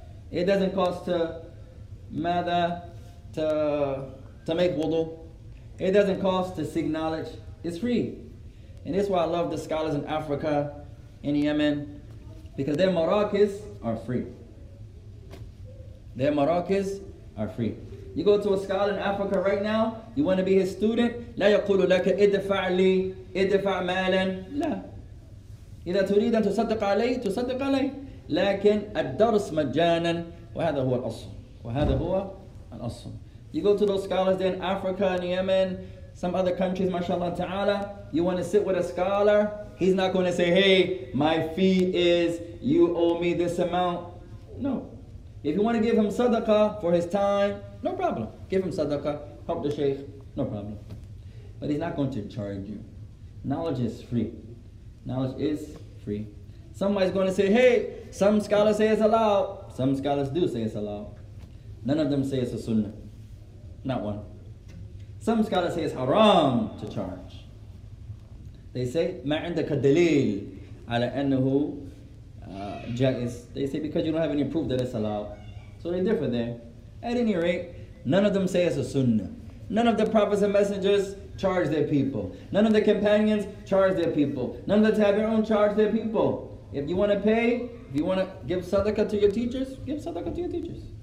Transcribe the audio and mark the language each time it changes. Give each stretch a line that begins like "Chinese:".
English: It doesn't cost to mada, to make wudu. It doesn't cost to seek knowledge. It's free. And that's why I love the scholars in Africa, in Yemen, because their marakis are free. Their marakis are free. You go to a scholar in Africa right now, you want to be his student,
Arabic: لا يقول لك ادفع لي ادفع مالا لا إذا تريد أن تصدق علي تصدق علي لكن الدرس مجانا وهذا هو الأصل وهذا هو الأصل.
English: You go to those scholars there in Africa and Yemen, some other countries, mashallah ta'ala, you want to sit with a scholar, he's not going to say, hey, my fee is you owe me this amount. No. If you want to give him sadaqah for his time, no problem. Give him sadaqah, help the sheikh, no problem. But he's not going to charge you. Knowledge is free. Knowledge is free. Somebody's going to say, hey, some scholars say it's allowed. Some scholars do say it's allowed. None of them say it's a sunnah. Not one. Some scholars say it's haram to charge. They say,
Arabic: مَا عِنْدَكَ دَلِيلِ عَلَى أَنَّهُ جَائِزٌ.
English: They say, because you don't have any proof that it's allowed. So they differ there. At any rate, none of them say it's a sunnah. None of the prophets and messengers charge their people. None of the companions charge their people. None of the tabi'un charge their people. If you want to pay, if you want to give sadaqah to your teachers, give sadaqah to your teachers.